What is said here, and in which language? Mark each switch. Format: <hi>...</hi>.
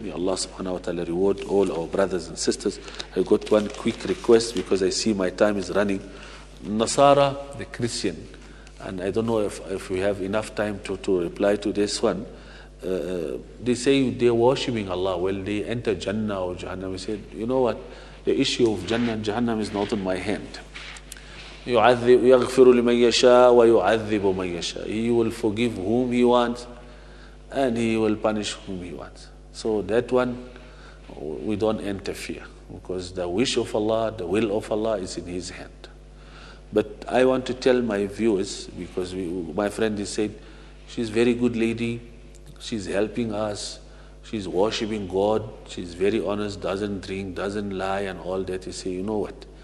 <en>May Allah subhanahu wa taala reward all our brothers and sisters. I got one quick request because I see my time is running. Nasara, the Christian, and I don't know if we have enough time to reply to this one. They say they're worshiping Allah. Well, they enter Jannah or Jahannam. We said, you know what? The issue of Jannah and Jahannam is not in my hand.</en> <ar>يغفر لمن يشاء ويعذب من يشاء.</ar> <en>He will forgive whom he wants and he will punish whom he wants. So that one, we don't interfere, because the wish of Allah, the will of Allah is in his hand. But I want to tell my viewers, because my friend has said, she's a very good lady, she's helping us, she's worshipping God, she's very honest, doesn't drink, doesn't lie and all that. He say, you know what?</en>